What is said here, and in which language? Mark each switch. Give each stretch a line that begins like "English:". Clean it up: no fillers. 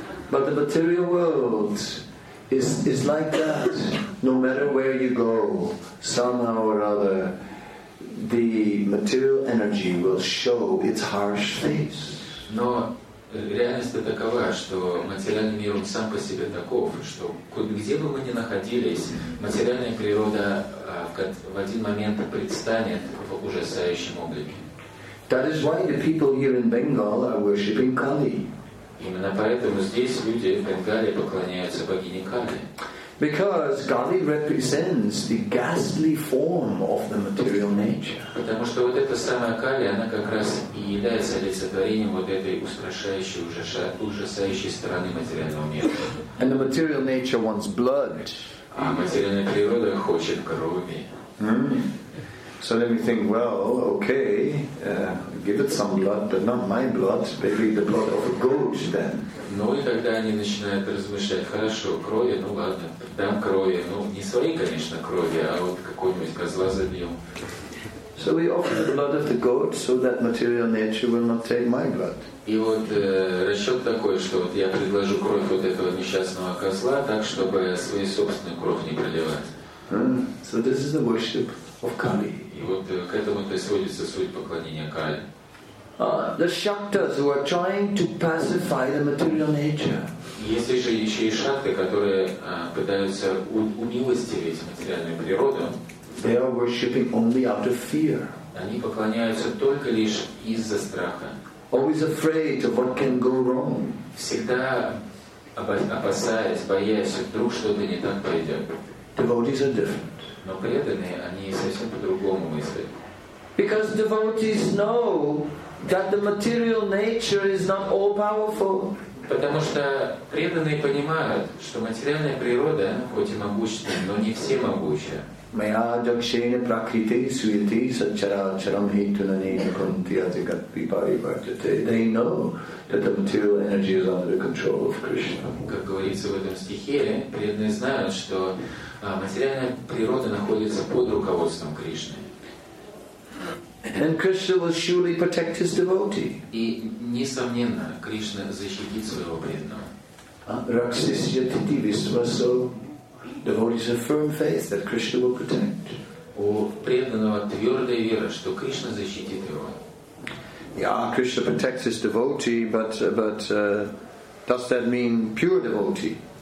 English: But the material world is like that. No matter where you go, somehow or other, the material energy will show its harsh face.
Russian: Реальность-то такова, что материальный мир, он сам по себе таков, что где бы мы ни находились, материальная природа в один момент предстанет в ужасающем облике.
English: That is why the people here in Bengal are worshipping Kali.
Russian: Именно поэтому здесь люди в Бенгалии поклоняются богине Кали.
English: Because Kali represents the ghastly form of the material nature.
Russian: Потому что вот эта самая Кали, она как раз и является олицетворением вот этой устрашающей, ужасающей стороны материального мира.
English: And the material nature wants blood.
Russian: А материальная природа хочет крови.
English: So let me think, give it some blood, but not my blood, maybe the blood of a goat then.
Russian: Ну и тогда они начинают размышлять, хорошо, крови, ну ладно, дам крови, ну не своей, конечно, крови, а вот какой-нибудь козла забьем.
English: So we offer the blood of the goat so that material nature will not take my blood.
Russian: И вот расчет такой, что вот я предложу кровь вот этого несчастного козла, так чтобы свои собственные кровь не проливать.
English: So this is the worship of Kali.
Russian: И вот к этому-то и сводится суть поклонения Кали.
English: the shaktas who are trying to pacify the material nature.
Russian: Если же еще и шакты, которые пытаются умилостивить материальную природу,
English: they are worshipping only out of fear.
Russian: Они поклоняются только лишь из-за страха.
English: Always afraid of what can go wrong.
Russian: Всегда опасаясь, боясь, вдруг что-то не так пойдет.
English: Devotees are different.
Russian: Но преданные, они совсем по-другому мыслят.
English: Because devotees know that the material nature is not all powerful.
Russian: Потому что преданные понимают, что материальная природа, хоть и могущественная, но не всемогущая.
Sanskrit: Maya dakshena prakriti suyati sacharacharam hetunaneja kunti adhikatvi parivartate.
English: They know that the material energy is under the control of Krishna.
Russian: Как говорится в этом стихе, преданные знают, что материальная природа находится под руководством Кришны.
English: And Krishna will surely protect his devotee.
Russian: И несомненно, Кришна защитит своего преданного.
Sanskrit: Raksisya titi visvaso.
English: Devotees have firm faith that Krishna will protect.
Russian: У преданного твердая вера, что Кришна защитит его.
English: Yeah, Krishna protects his devotee, but does that mean pure devotee?